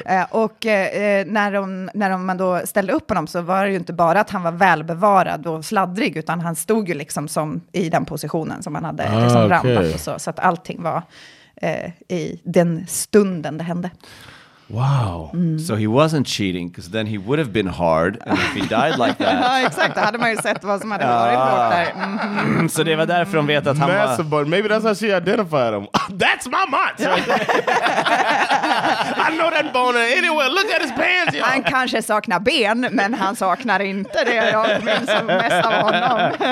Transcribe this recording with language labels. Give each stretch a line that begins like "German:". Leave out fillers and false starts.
Swedish: Och när man då ställde upp honom, så var det ju inte bara att han var välbevarad och sladdrig, utan han stod ju liksom som i den positionen som han hade rampat och så. Så att allting var i den stunden det hände.
English: Wow. Mm. So he wasn't cheating, because then he would have been hard, and if he died like that.
Swedish: Ja, exakt. Då hade man ju sett vad som hade varit där. Mm-hmm. Så det var därför de vet att han
English: massive,
Swedish: var...
English: But maybe that's how she identified him. That's my match! I know that boner anywhere. Look at his pants, yo!
Swedish: Han kanske saknar ben, men han saknar inte det jag minns mest av honom.